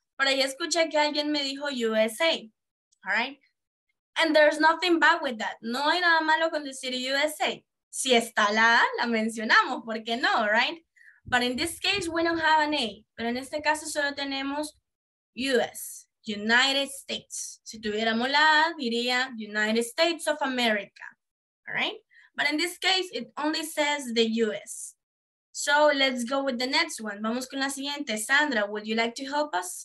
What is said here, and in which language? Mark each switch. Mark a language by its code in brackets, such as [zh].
[es] Por ahí escuché que alguien me dijo USA. [en] All right, and there's nothing bad with that. [es] No hay nada malo con decir USA. Si está la A, la mencionamos, ¿por qué no? [en] Right. But in this case, we don't have an A. [es] Pero en este caso solo tenemos US, United States. Si tuviéramos la A, diría United States of America. all right? [en] But in this case, it only says the US. So let's go with the next one. [es] Vamos con la siguiente. [en] Sandra, would you like to help us?